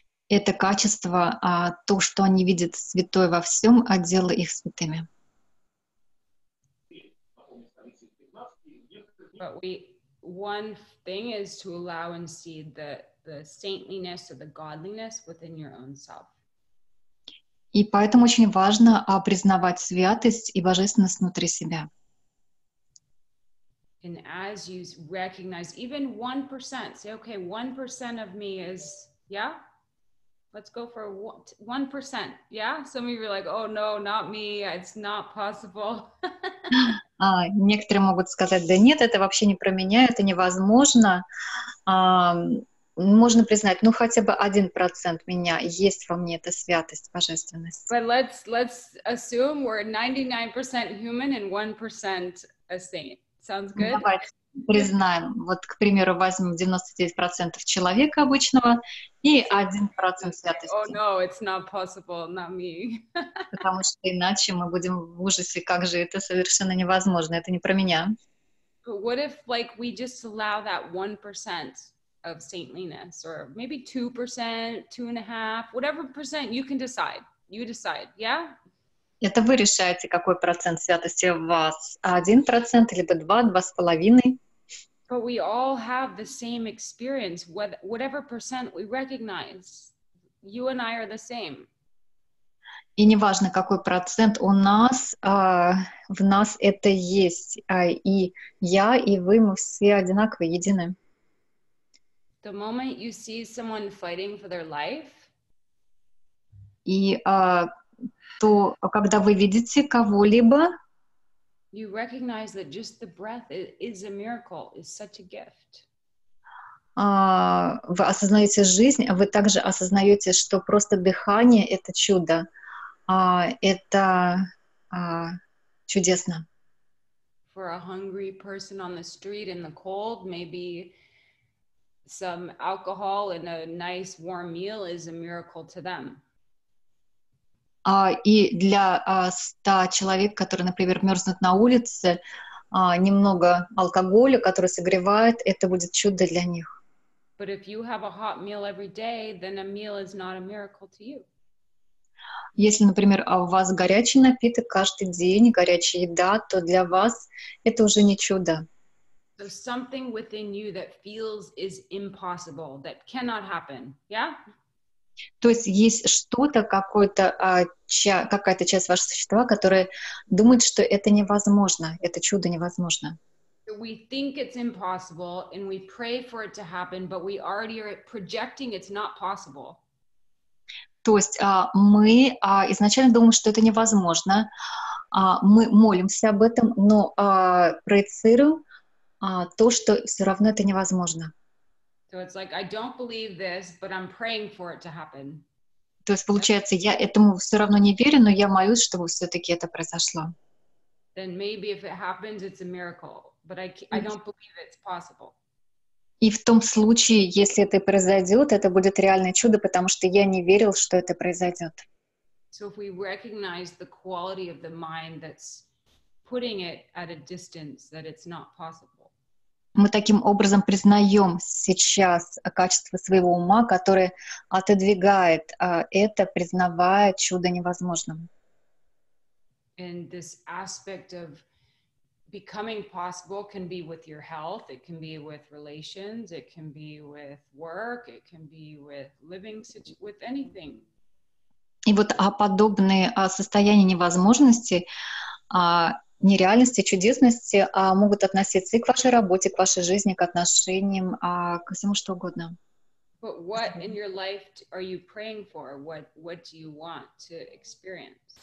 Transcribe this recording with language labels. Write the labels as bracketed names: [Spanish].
[Russian] Это качество, то, что они видят святой во всем, делает их святыми. [English] But one thing is to allow and see the saintliness or the godliness within your own self. [Russian] И поэтому очень важно признавать святость и божественность внутри себя. [English] And as you recognize, even 1%, say, okay, 1% of me is, yeah? Let's go for 1%, yeah? Some of you are like, oh no, not me, it's not possible. [Russian] Некоторые могут сказать, да нет, это вообще не про меня, это невозможно. Можно признать, ну хотя бы 1% меня, есть во мне эта святость, божественность. [English] But let's assume we're 99% human and 1% a saint. Sounds good? [Russian] Давайте признаем, вот, к примеру, возьмем 99% человека обычного и 1% святости. [English] Oh no, it's not possible, not me. [Russian] Потому что иначе мы будем в ужасе, как же это совершенно невозможно, это не про меня. [English] But what if, like, we just allow that 1% of saintliness, or maybe 2%, 2.5%, whatever percent, you decide, yeah? [Russian] Это вы решаете, какой процент святости в вас. 1% или 2-2.5%. [English] But we all have the same experience. Whatever percent we recognize, you and I are the same. [Russian] И неважно, какой процент у нас, в нас это есть. И я, и вы, мы все одинаковые, едины. [English] The moment you see someone fighting for their life, [Russian] и то, когда вы видите кого-либо, [English] you recognize that just the breath is a miracle, is such a gift. [Russian] Вы осознаете жизнь, вы также осознаете, что просто дыхание — это чудо, это чудесно. [English] For a hungry person on the street in the cold, maybe some alcohol and a nice warm meal is a miracle to them. [Russian] И для 100 человек, которые, например, мерзнут на улице, немного алкоголя, который согревает, это будет чудо для них. [English] But if you have a hot meal every day, then a meal is not a miracle to you. [Russian] Если, например, у вас горячий напиток каждый день, горячая еда, то для вас это уже не чудо. [English] So something within you that feels is impossible, that cannot happen, yeah? [Russian] То есть есть что-то, какая-то часть вашего существа, которая думает, что это невозможно, это чудо невозможно. [English] We think it's impossible, and we pray for it to happen, but we already are projecting it's not possible. [Russian] То есть мы изначально думаем, что это невозможно, мы молимся об этом, но проецируем то, что все равно это невозможно. [English] So it's like, I don't believe this, but I'm praying for it to happen. [Russian] То есть получается, я этому все равно не верю, но я молюсь, чтобы все-таки это произошло. [English] Then maybe if it happens, it's a miracle, but I don't believe it's possible. [Russian] И в том случае, если это произойдет, это будет реальное чудо, потому что я не верил, что это произойдет. [English] So if we recognize the quality of the mind that's putting it at a distance, that it's not possible. [Russian] Мы таким образом признаем сейчас качество своего ума, которое отодвигает это, признавая чудо невозможным. [English] And this aspect of becoming possible can be with your health, it can be with relations, it can be with work, it can be with living with anything. [Russian] И вот подобные состояния невозможности не реальности, а чудесности, а могут относиться и к вашей работе, к вашей жизни, к отношениям, ко всему что угодно. [English] But what in your life are you praying for? What do you want to experience?